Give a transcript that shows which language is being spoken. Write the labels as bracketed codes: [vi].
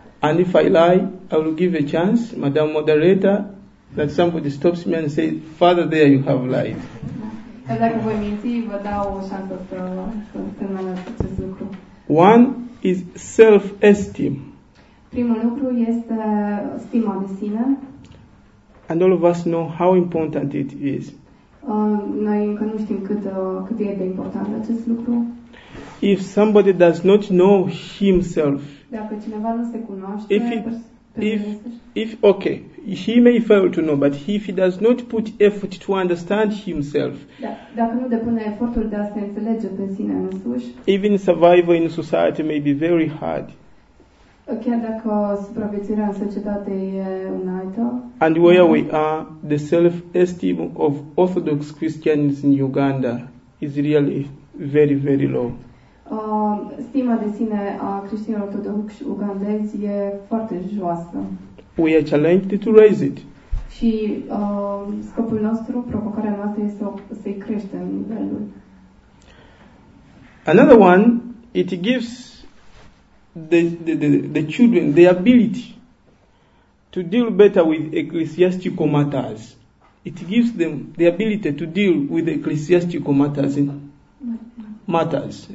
[en] And if I lie, I will give a chance, Madam Moderator, that somebody stops me and says, Father, there you have lied. [ro] Dacă voi minți, vă dau o șansă să menționați acest lucru. [en] One is self-esteem. [ro] Primul lucru este stima de sine. [en] And all of us know how important it is. [ro] Noi încă nu știm cât e de important acest lucru. [en] If somebody does not know himself, [ro] dacă cineva nu se cunoaște, [en] if he may fail to know, but if he does not put effort to understand himself, [ro] dacă nu depune efortul de a se înțelege pe sine însuși, [en] even survival in society may be very hard. [ro] Chiar dacă supraviețuirea în societate e înaltă. [en] And where we are, the self-esteem of Orthodox Christians in Uganda is really very, very low. [ro] Stima de sine a creștinilor ortodoxi ugandezi e foarte joasă. [en] We are challenged to raise it. [ro] Și scopul nostru, provocarea noastră, este să-i creștem nivelul. [en] Another one, it gives the children the ability to deal better with ecclesiastical matters. It gives them the ability to deal with ecclesiastical matters in matters.